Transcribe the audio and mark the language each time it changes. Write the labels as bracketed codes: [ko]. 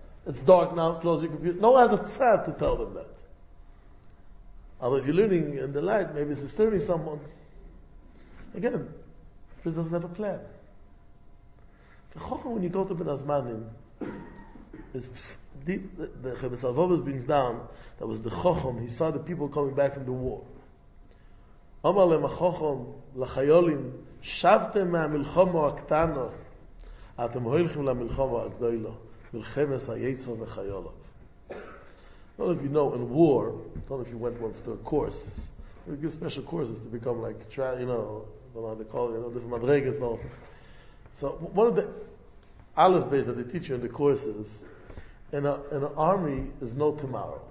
[en] It's dark now, close your computer. No one has a tzad to tell them that. Although if you're learning in the light, maybe it's disturbing someone. Again, Chris doesn't have a plan. The chokhmah when you go to Ben Azmanim, is deep, the Chavis Avobis brings down, that was the chokhmah, he saw the people coming back from the war. [he] אמר להם החוכם לחיולים, שבתם מהמלחמה הקטנה, אתם הולכים למלחמה הגדולה, מלחמת היצר וחיולה. [en] I don't know if you know, in war, I don't know if you went once to a course, we give special courses to become like, you know, I don't know how they call it, you know, different madregas, no. So one of the aleph beis that they teach you in the courses, in an army is no tomorrow.